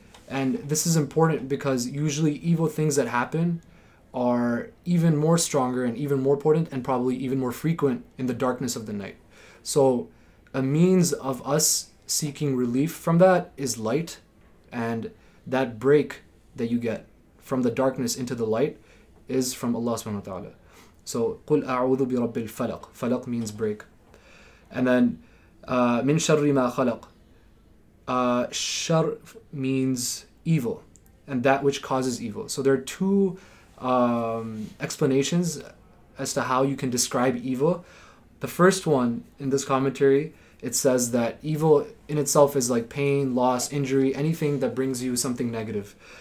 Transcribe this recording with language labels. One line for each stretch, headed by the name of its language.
English: And this is important because usually evil things that happen are even more stronger and even more important and probably even more frequent in the darkness of the night. So a means of us seeking relief from that is light, and that break that you get from the darkness into the light is from Allah subhanahu wa ta'ala. So
Arabic: قُلْ أَعُوذُ بِرَبِّ الْفَلَقِ.
English: Falaq means break. And then
Arabic: مِنْ شَرِّ مَا خَلَقْ.
English: Shar means evil, and that which causes evil. So there are two explanations as to how you can describe evil. The first one in this commentary, it says that evil in itself is like pain, loss, injury, anything that brings you something negative.